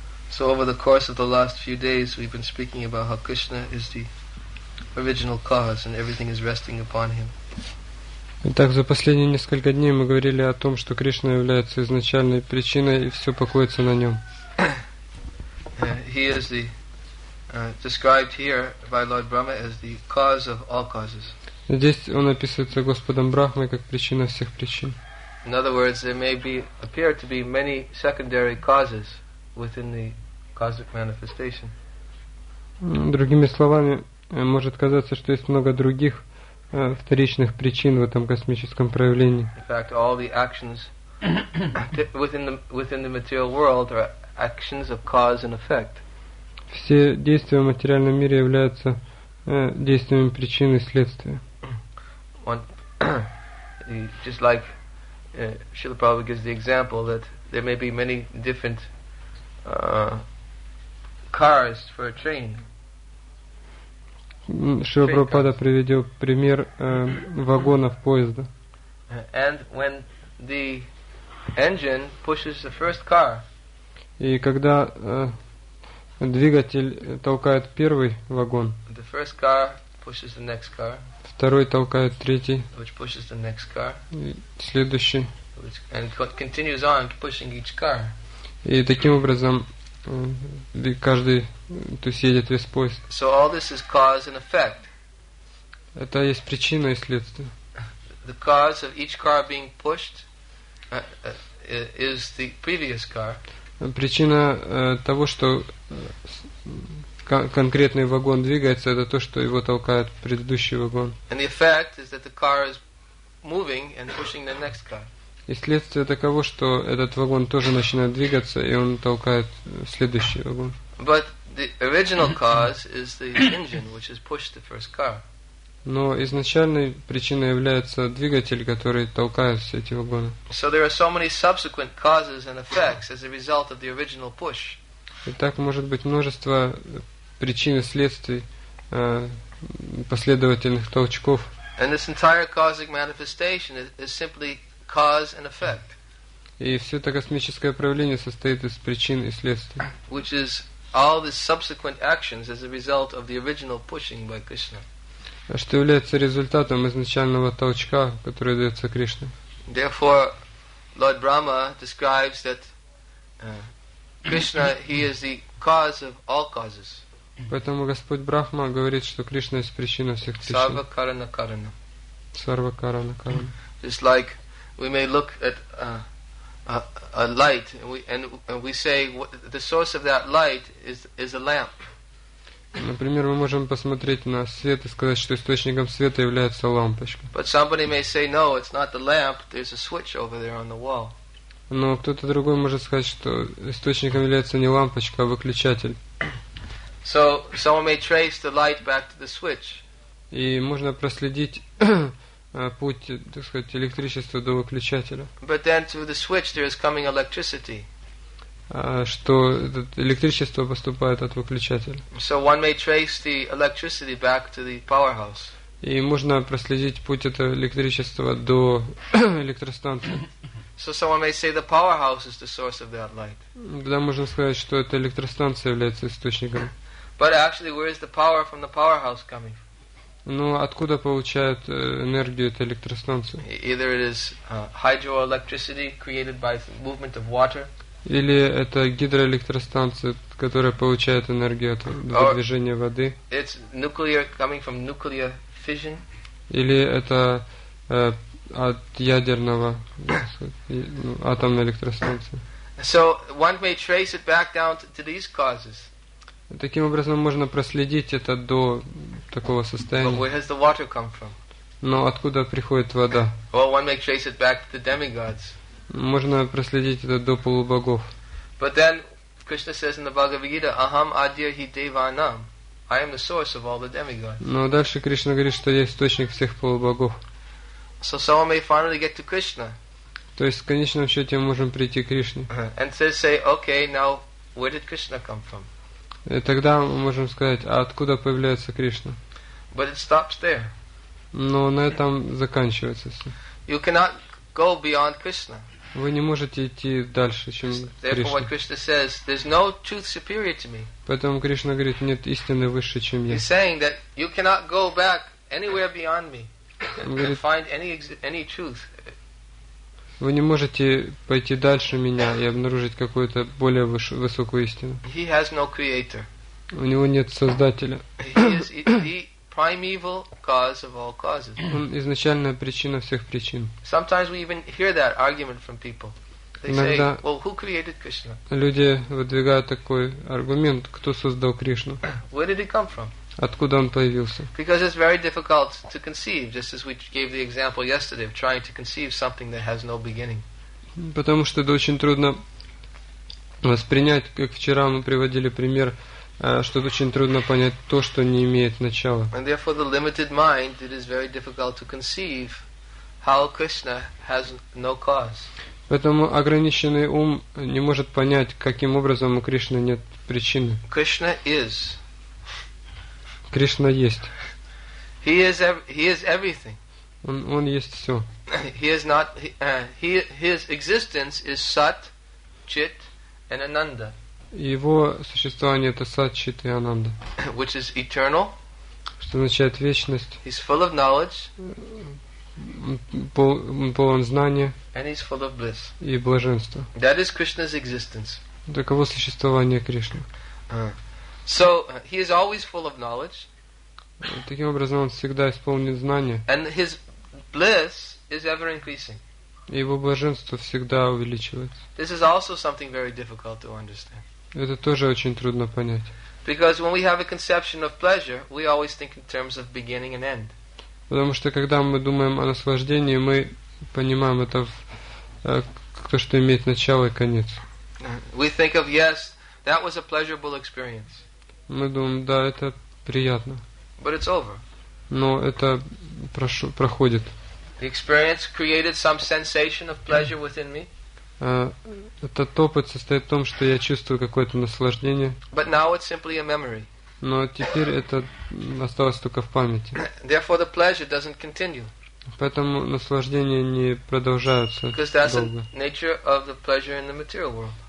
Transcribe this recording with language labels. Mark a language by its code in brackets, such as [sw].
[en] So over the course of the last few days, we've been speaking about how Krishna is the original cause and everything is resting upon him. [ru] Итак, за последние несколько дней мы говорили о том, что Кришна является изначальной причиной и все покоится на нем. [en] He is the described here by Lord Brahma as the cause of all causes. [ru] Здесь он описывается Господом Брахмой как причина всех причин. [en] In other words, there may be appear to be many secondary causes within the cosmic manifestation. [ru] Другими словами, может казаться, что есть много других вторичных причин в этом космическом проявлении. [en] In fact, all the actions within the material world are actions of cause and effect. [ru] Все действия в материальном мире являются действиями причин и следствия. [en] Just like Srila Prabhupada gives the example that there may be many different cars for a train. [ru] Шрила Прабхупада приведет пример вагонов поезда. [en] And when the engine pushes the first car. [ru] И когда двигатель толкает первый вагон. [en] The first car pushes the next car. [ru] Второй толкает третий. [en] Which pushes the next car. [ru] Следующий. [en] And continues on pushing each car. [ru] И таким образом каждый, то есть едет весь поезд. [en] So all this is cause and effect. [ru] Это есть причина и следствие. [en] The cause of each car being pushed is the previous car. [ru] Причина того, что конкретный вагон двигается, это то, что его толкает предыдущий вагон. [en] And the effect is that the car is moving and pushing the next car. [ru] И следствие таково, что этот вагон тоже начинает двигаться, и он толкает следующий вагон. [en] But the original cause is the engine, which has pushed the first car. [ru] Но изначальной причиной является двигатель, который толкает все эти вагоны. [en] So there are so many subsequent causes and effects as a result of the original push. [ru] И так может быть множество причин и следствий последовательных толчков. [en] And this entire cosmic manifestation is simply cause and effect. [ru] И все это космическое проявление состоит из причин и следствий. [en] Which is all the subsequent actions as a result of the original pushing by Krishna. [ru] Что является результатом изначального толчка, который дается Кришне. [en] Therefore, Lord Brahma describes that Krishna, he is the cause of all causes. [ru] Поэтому Господь Брахма говорит, что Кришна есть причина всех причин. [sa] Сарва карана карана. Сарва карана карана. [en] Just like we may look at a light and we say the source of that light is a lamp. [ru] Например, мы можем посмотреть на свет и сказать, что источником света является лампочка. [en] But somebody may say, no, it's not the lamp. There's a switch over there on the wall. [ru] Но кто-то другой может сказать, что источником является не лампочка, а выключатель. [en] So someone may trace the light back to the switch. [ru] И можно проследить путь, так сказать, электричества до выключателя. [en] But then through the switch there is coming electricity. [ru] Что электричество поступает от выключателя. [en] So one may trace the electricity back to the powerhouse. [ru] И можно проследить путь этого электричества до электростанции. [en] So someone may say the powerhouse is the source of that light. [ru] Да, можно сказать, что эта электростанция является источником. [en] But actually, where is the power from the powerhouse coming? [ru] Ну, откуда получает энергию эта электростанция? [en] Either it is hydroelectricity created by the movement of water. [ru] Или это гидроэлектростанция, которая получает энергию от движения воды. [en] It's nuclear, coming from nuclear fission. [ru] Или это от ядерного атомной электростанции. [en] So one may trace it back down to these causes. [ru] Таким образом можно проследить это до такого состояния. [en] But where has the water come from? [ru] Но откуда приходит вода? [en] Well, one may trace it back to the demigods. [ru] Можно проследить это до полубогов. [en] But then Krishna says in the Bhagavad Gita, [sa] "Aham adya hi devanam." [en] I am the source of all the demigods. [ru] Но дальше Кришна говорит, что я источник всех полубогов. [en] So someone may finally get to Krishna. [ru] То есть в конечном счете мы можем прийти к Кришне. [en] And say, "Okay, now where did Krishna come from?" [ru] И тогда мы можем сказать, а откуда появляется Кришна? [en] But it stops there. [ru] Но на этом заканчивается все. [en] You cannot go beyond Krishna. [ru] Вы не можете идти дальше, чем Кришна. [en] Says, there's no truth superior to me. [ru] Поэтому Кришна говорит, нет истины выше, чем я. [en] He's saying that you cannot go back anywhere beyond me and find any truth. [ru] Вы не можете пойти дальше меня и обнаружить какую-то более высокую истину. [en] He has no creator. [ru] У него нет создателя. [en] He is the primeval cause of all causes. [ru] Он изначальная причина всех причин. [en] Sometimes we even hear that argument from people. They [ru] Иногда [en] say, well, who created Krishna? [ru] Люди выдвигают такой аргумент, кто создал Кришну. [en] Where did he come from? [ru] Откуда он появился? [en] Because it's very difficult to conceive, just as we gave the example yesterday of trying to conceive something that has no beginning. [ru] Потому что это очень трудно воспринять, как вчера мы приводили пример, что это очень трудно понять то, что не имеет начала. [en] And therefore, the limited mind, it is very difficult to conceive how Krishna has no cause. [ru] Поэтому ограниченный ум не может понять, каким образом у Кришны нет причины. [en] Krishna is. [ru] Кришна есть. [en] He is everything. [ru] Он есть все. [en] His existence is Sat, Chit, and Ananda. [ru] Его существование это Сат, Чит и Ананда. [en] Which is eternal. [ru] Что означает вечность. [en] He's full of knowledge. [ru] Полон знания. [en] And he's full of bliss. [ru] И блаженства. [en] That is Krishna's existence. [ru] Таково существование Кришны. [en] So he is always full of knowledge. [ru] Таким образом, он всегда исполнен знания. [en] And his bliss is ever increasing. [ru] Его блаженство всегда увеличивается. [en] This is also something very difficult to understand. [ru] Это тоже очень трудно понять. [en] Because when we have a conception of pleasure, we always think in terms of beginning and end. [ru] Потому что когда мы думаем о наслаждении, мы понимаем это то, что имеет начало и конец. [en] We think of yes, that was a pleasurable experience. [ru] Мы думаем, да, это приятно. [en] But it's over. [ru] Но это проходит. [en] The experience created some sensation of pleasure within me. [ru] Этот опыт состоит в том, что я чувствую какое-то наслаждение. [en] But now it's simply a memory. [ru] Но теперь это осталось только в памяти. [en] Therefore, the pleasure doesn't continue. [ru] Поэтому наслаждения не продолжаются долго. [en] Because that's the nature of the pleasure in the material world.